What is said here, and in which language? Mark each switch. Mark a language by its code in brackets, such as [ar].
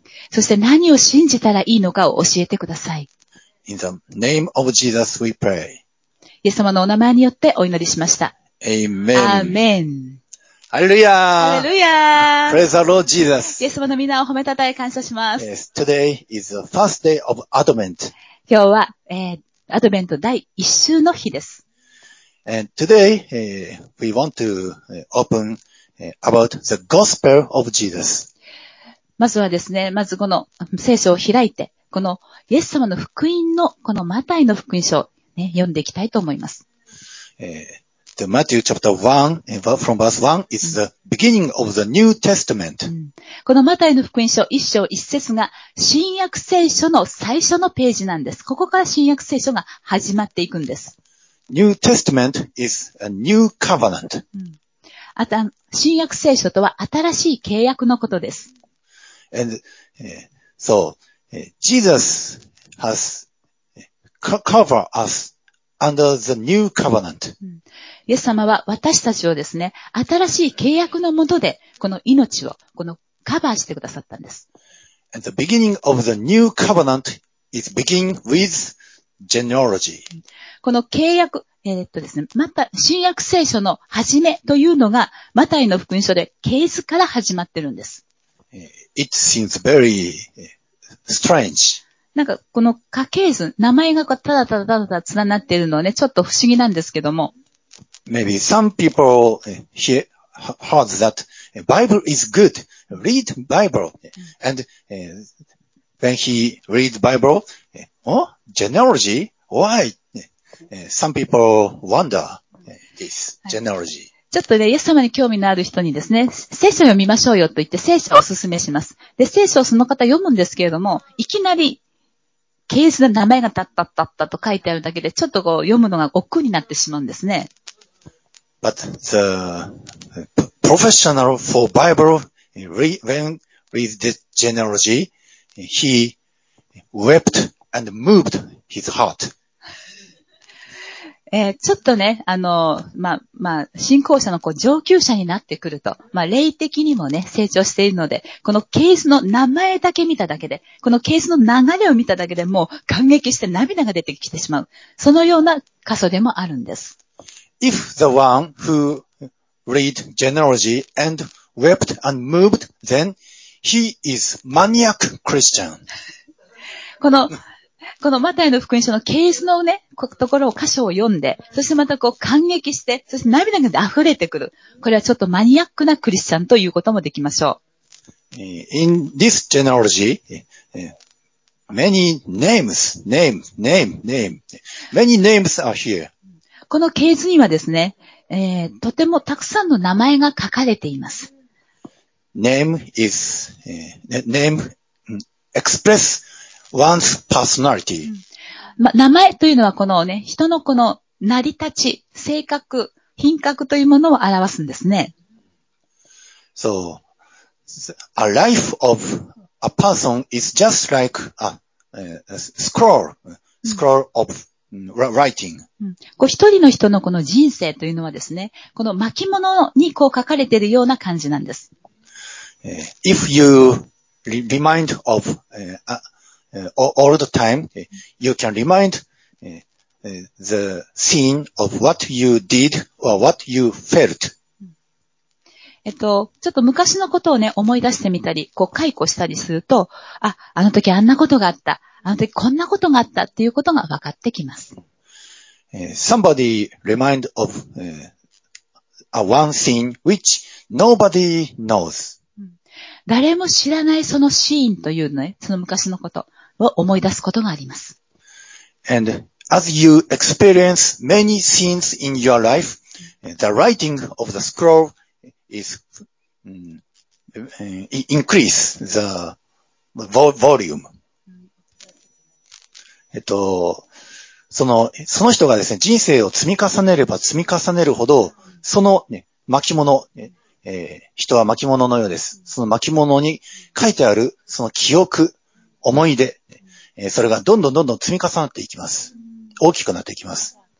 [ja] そして何を信じたらいいのかを教えてください。 [en] In the name of Jesus we pray. [ja] イエス様のお名前によってお祈りしました。 [en] Amen. Amen. [ja] ハレルヤー。ハレルヤー。 [en] Praise the Lord Jesus. [ja] イエス様の皆を褒めたたえ感謝します。 [en] Yes, today is the first day of Advent. [ja] 今日は、アドベント第一週の日です。 [en] And today, we want to open about the Gospel of Jesus. [ja] まずはですね、まずこの聖書を開いて、このイエス様の福音の、このマタイの福音書を、ね、読んでいきたいと思います。 [en] The Matthew chapter 1, from verse 1, is the beginning of the New Testament.、うん、 [ja] このマタイの福音書1章1節が新約聖書の最初のページなんです。ここから新約聖書が始まっていくんです。 [en] New Testament is a new covenant.、う [ja] ん、あと新約聖書とは新しい契約のことです。 [en] And, so, Jesus has covered us. Under the new covenant. [ja] イエス様は私たちをですね、新しい契約のもとで、この命を、このカバーしてくださったんです。 [en] And the beginning of the new covenant is begin with genealogy. [ja] この契約、ですね、また、新約聖書の始めというのが、マタイの福音書で、系図から始まってるんです。 [en] It seems very strange. [ja] なんか、この家系図、名前がただただただただつながっているのはね、ちょっと不思議なんですけども。 [en] Maybe some people hear, heard that Bible is good. Read Bible. And when he read Bible, oh, genealogy? Why? Some people wonder this genealogy.、はい [ja] ちょっとね、イエス様に興味のある人にですね、聖書を読みましょうよと言って聖書をおすすめします。で、聖書をその方読むんですけれども、いきなり、ケースの名前がタッタッタッタと書いてあるだけで、ちょっとこう読むのが億劫になってしまうんですね。 [en] But the professional for Bible, when read the genealogy, he wept and moved his heart. [ja] ちょっとね、まあ、信仰者のこう上級者になってくると、まあ、霊的にもね、成長しているので、このケースの名前だけ見ただけで、このケースの流れを見ただけでもう感激して涙が出てきてしまう。そのような箇所でもあるんです。 [en] If the one who read genealogy and wept and moved, then he is maniac Christian. [ja] このマタイの福音書のケースのね、ところを箇所を読んで、そしてまたこう感激して、そして涙が溢れてくる。これはちょっとマニアックなクリスチャンということもできましょう。 [en] In this genealogy, many names, name, name, name. Many names are here. [ja] この系図にはですね、とてもたくさんの名前が書かれています。 [en] Name is, name express one's personality. [ja] 名前というのはこのね、人のこの成り立ち、性格、品格というものを表すんですね。 [en] So, a life of a person is just like a scroll of writing. [ja] こう一人の人のこの人生というのはですね、この巻物にこう書かれているような感じなんです。 [en] If you remind of old time, you can remind the scene of what you did or what you felt. [ja] ちょっと昔のことをね、思い出してみたり、こう、回顧したりすると、あの時あんなことがあった、あの時こんなことがあったっていうことが分かってきます。 [en] Somebody remind of a one scene which nobody knows. [ja] 誰も知らないそのシーンというね、その昔のことを思い出すことがあります。 [en] And as you experience many scenes in your life, the writing of the scroll is increase the volume. [ja] その人がですね、人生を積み重ねれば積み重ねるほど、その、ね、巻物、人は巻物のようです。その巻物に書いてある、その記憶、思い出、それがどんどんどんどん積み重なっていきます。大きくなっていきます。